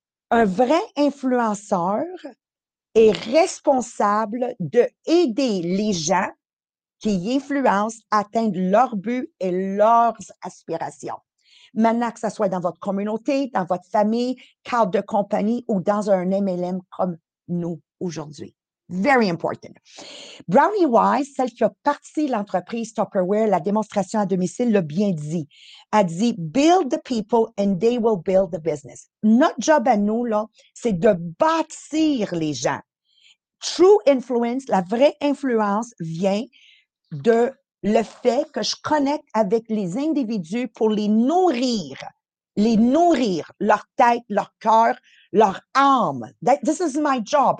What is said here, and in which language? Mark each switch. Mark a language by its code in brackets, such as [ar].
[fr] Un vrai influenceur est responsable d'aider les gens qui influencent à atteindre leurs buts et leurs aspirations. Maintenant, que ce soit dans votre communauté, dans votre famille, cadre de compagnie ou dans un MLM comme nous aujourd'hui. [en] Very important. [fr] Brownie Wise, celle qui a parti l'entreprise Tupperware, la démonstration à domicile, l'a bien dit. Elle dit, [en] build the people and they will build the business. [fr] Notre job à nous, là, c'est de bâtir les gens. [en] True influence, [fr] la vraie influence vient de le fait que je connecte avec les individus pour les nourrir leur tête, leur cœur, leur âme. [en] This is my job.